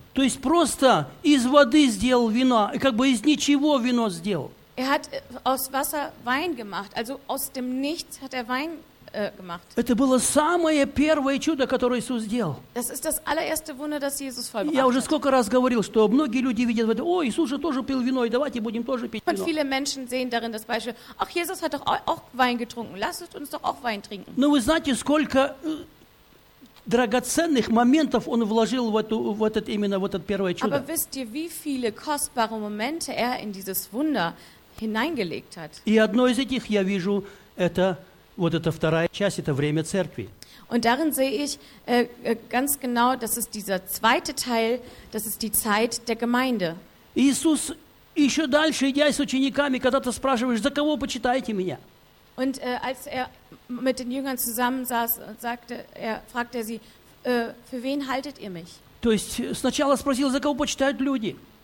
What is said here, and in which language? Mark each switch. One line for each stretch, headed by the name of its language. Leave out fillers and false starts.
Russian: То есть просто из воды сделал вино, как бы из ничего вино сделал.
German: Er hat aus Wasser Wein gemacht, also aus dem Nichts hat er Wein gemacht.
Russian: Это было самое первое чудо, которое Иисус сделал.
German: Das ist das allererste Wunder, das Jesus vollbracht.
Russian: Я уже сколько раз говорил, что многие люди видят в этом: «О, Иисус же тоже пил вино, и давайте будем тоже пить вино».
German: Und viele Menschen sehen darin das Beispiel: «Ach, Jesus hat doch auch Wein getrunken. Lasst uns doch auch Wein trinken».
Russian: Но вы знаете, сколько драгоценных моментов он вложил в эту, в этот, именно в этот первое чудо?
German: Aber wisst ihr, wie viele kostbare Momente er in dieses Wunder hineingelegt hat?
Russian: И одно из этих я вижу, это вот эта вторая часть, это время церкви.
German: Und darin sehe ich ganz genau, das ist dieser zweite Teil, das ist die Zeit der Gemeinde.
Russian: Иисус, еще дальше, идя с учениками, когда ты спрашиваешь, за кого почитаете меня?
German: Und als er mit den Jüngern zusammensaß, sagte er, fragte er sie, für wen haltet ihr mich?
Russian: То есть сначала спросил, за кого почитают люди?